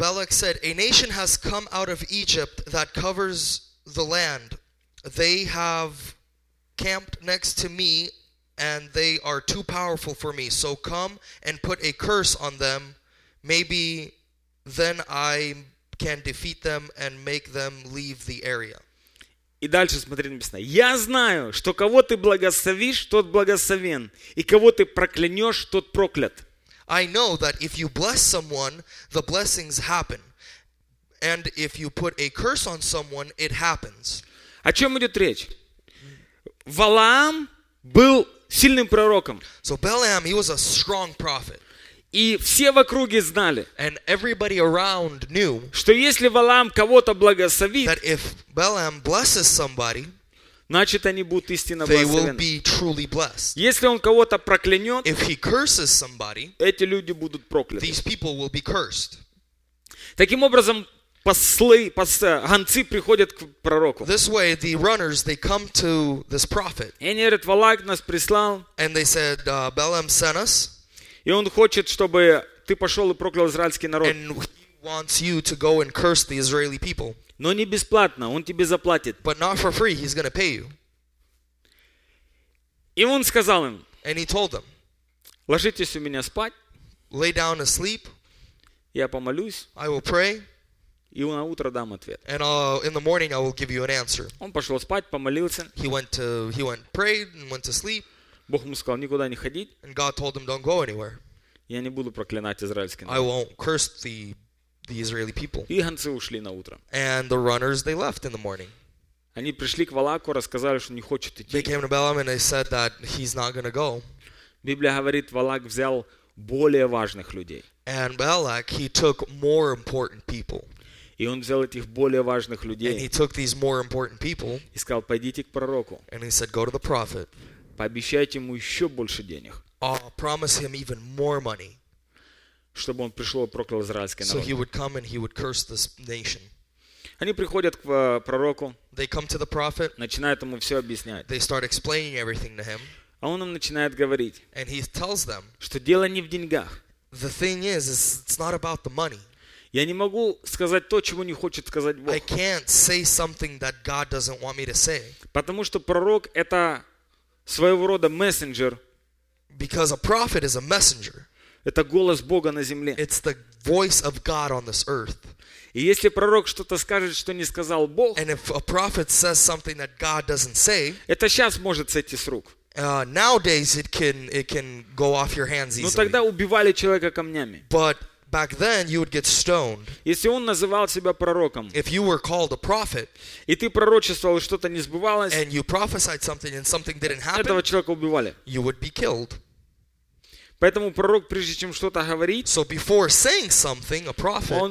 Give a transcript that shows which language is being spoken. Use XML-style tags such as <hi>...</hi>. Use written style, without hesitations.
<en>Balak said, "A nation has come out of Egypt that covers the land. They have camped next to me, and they are too powerful for me. So come and put a curse on them. Maybe then I can defeat them and make them leave the area."</en> <ru>И дальше смотри, написано. Я знаю, что кого ты благословишь, тот благословен. И кого ты проклянешь, тот проклят.</ru> <en>I know that if you bless someone, the blessings happen. And if you put a curse on someone, it happens.</en> <ru>О чем идет речь? Валаам был сильным пророком.</ru> <en>So Balaam, he was a strong prophet.</en> <ru>И все в округе знали,</ru> <en>and everybody around knew,</en> <ru>что если Валаам кого-то благословит,</ru> <en>that if Balaam blesses somebody,</en> <ru>значит, они будут истинно</ru> <en>they</en> <ru>благословены.</ru> <en>Will be truly blessed.</en> <ru>Если он кого-то проклянет,</ru> <en>if he curses somebody,</en> <ru>эти люди будут прокляты.</ru> <en>These people will be cursed.</en> <ru>Таким образом, гонцы приходят к пророку.</ru> <en>This way, the runners, they come to this prophet.</en> <ru>И они говорят, Валак нас прислал.</ru> <en>And they said, Balaam sent us.</en> <ru>И он хочет, чтобы ты пошел и проклял израильский народ.</ru> <en>And he wants you to go and curse the Israeli people.</en> <ru>Но не бесплатно, он тебе заплатит.</ru> <en>But not for free, he's going to pay you.</en> <ru>И он сказал им,</ru> <en>and he told them,</en> <ru>ложитесь у меня спать.</ru> <en>Lay down asleep.</en> <ru>Я помолюсь.</ru> <en>I will pray.</en> <ru>И на утро дам ответ.</ru> <en>And in the morning I will give you an answer.</en> <ru>Он пошел спать, помолился.</ru> <en>He went prayed and went to sleep.</en> <ru>Бог ему сказал никуда не ходить.</ru> <en>And God told him don't go anywhere.</en> <ru>Я не буду проклинать израильский народ.</ru> <en>I won't curse the Israeli people.</en> <ru>И гонцы ушли на утро.</ru> <en>And the runners they left in the morning.</en> <ru>Они пришли к Валаку, рассказали, что не хочет идти.</ru> <en>They came to Balaam and they said that he's not going to go.</en> <ru>Библия говорит, Валак взял более важных людей.</ru> <en>And Balak, he took more important people.</en> <ru>И он взял этих более важных людей.</ru> <en>And he took these more important people.</en> <ru>И сказал, пойдите к пророку.</ru> <en>And he said, go to the prophet.</en> <ru>Пообещайте ему еще больше денег.</ru> <en>Promise him even more money.</en> <ru>Чтобы он пришел и проклял израильский народ.</ru> <en>So he would come and he would curse this nation.</en> <ru>Они приходят к пророку.</ru> <en>They come to the prophet.</en> <ru>Начинают ему все объяснять.</ru> <en>They start explaining everything to him.</en> <ru>А он им начинает говорить.</ru> <en>And he tells them.</en> <ru>Что дело не в деньгах.</ru> <en>The thing is, it's not about the money.</en> <ru>Я не могу сказать то, чего не хочет сказать Бог.</ru> <en>I can't say something that God doesn't want me to say.</en> <ru>Потому что пророк это своего рода мессенджер.</ru> <en>Because a prophet is a messenger.</en> <ru>Это голос Бога на земле.</ru> <en>It's the voice of God on this earth.</en> <ru>И если пророк что-то скажет, что не сказал Бог,</ru> <en>and if a prophet says something that God doesn't say,</en> <ru>это сейчас может сойти с рук.</ru> <en>Nowadays it can go off your hands easily.</en> <ru>Но тогда убивали человека камнями.</ru> <en>But back then you would get stoned.</en> <ru>Если он называл себя пророком,</ru> <en>if you were called a prophet,</en> <ru>и ты пророчествовал, что-то не сбывалось,</ru> <en>and you prophesied something and something didn't happen,</en> <ru>этого человека убивали.</ru> <en>You would be killed.</en> <ru>Поэтому пророк, прежде чем что-то говорить,</ru> <en>so before saying something, a prophet,</en>